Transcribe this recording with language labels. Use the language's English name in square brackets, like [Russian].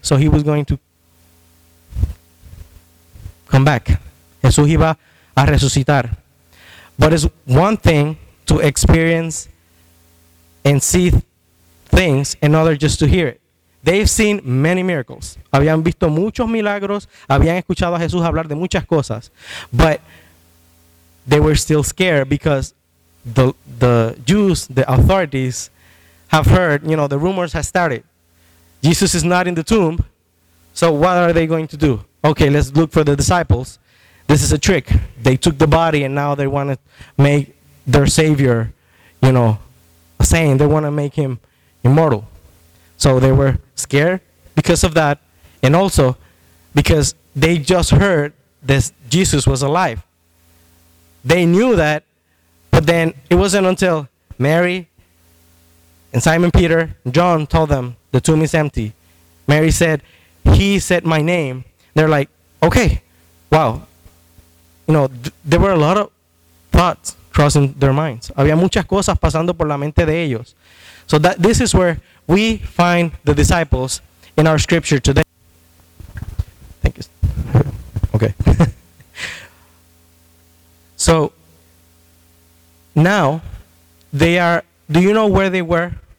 [English] So he was going to come back. [Spanish] Jesús iba a resucitar. [English] But it's one thing to experience and see things, another just to hear it. They've seen many miracles. [Spanish] Habían visto muchos milagros. Habían escuchado a Jesús hablar de muchas cosas. [English] But they were still scared because the Jews, the authorities, have heard, you know, the rumors have started. Jesus is not in the tomb. So what are they going to do? Okay, let's look for the disciples. This is a trick. They took the body and now they want to make their Savior, you know, a saint. They want to make him immortal. So they were scared because of that. And also because they just heard that Jesus was alive. They knew that. But then it wasn't until Mary and Simon Peter and John told them the tomb is empty. Mary said, "He said my name." They're like, okay, wow. You know, there were a lot of thoughts crossing their minds. [Spanish] Había muchas cosas pasando por la mente de ellos. [English] So that this is where we find the disciples in our scripture today. Thank you. Okay. So now they are, do you know where they were?